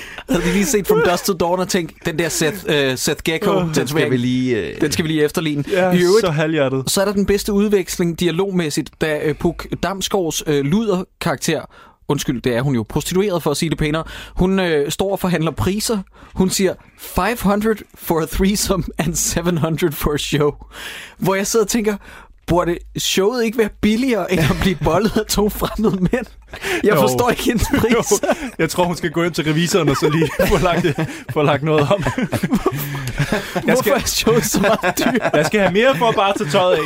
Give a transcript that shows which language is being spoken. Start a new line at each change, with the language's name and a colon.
Danish: Havde vi lige set From Dusk Till Dawn og tænkt, den der Seth Gecko, den skal vi lige efterligne. Ja, øvrigt, så halvhjertet. Så er der den bedste udveksling dialogmæssigt, da Puk Damsgaards luderkarakter, undskyld, det er hun jo prostitueret for at sige det pænere, hun står og forhandler priser. Hun siger,
English: 500 for a threesome and 700 for a show.
Danish: Hvor jeg sidder og tænker... Burde showet ikke være billigere, end at blive bollet af to fremmede mænd? Jeg forstår ikke hendes pris. Jo. Jeg tror, hun skal gå ind til revisoren og så lige få lagt noget om. Hvorfor er showet så meget dyr? Jeg skal have mere for at bare tage tøjet af.